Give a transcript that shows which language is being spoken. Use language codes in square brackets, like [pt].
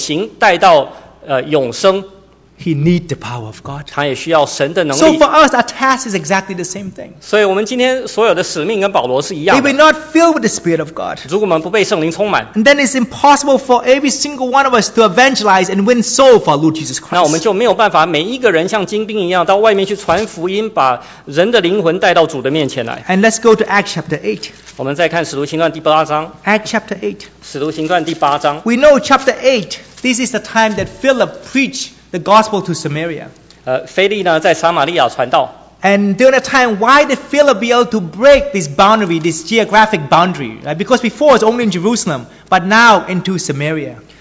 [zh] 他要把人从永刑带到永生. [en] He needs the power of God. [zh] 他也需要神的能力. [en] So for us, our task is exactly the same thing. [zh] 所以我们今天所有的使命跟保罗是一样的. [en] If we're not filled with the Spirit of God, [zh] 如果我们不被圣灵充满, [en] then it's impossible for every single one of us to evangelize and win soul for Lord Jesus Christ. [zh] 那我们就没有办法每一个人像精兵一样到外面去传福音，把人的灵魂带到主的面前来. [en] And let's go to Acts chapter 8. [zh] 我们再看使徒行传第八章. [en] Acts chapter 8. [zh] 使徒行传第八章. [en] We know chapter 8, this is the time that Philip preached the gospel to Samaria. [zh] 腓力呢在撒玛利亚传道. [en] And during that time, why did Philip be able to break this boundary, this geographic boundary? Right? Because before it's only in Jerusalem, but now into Samaria.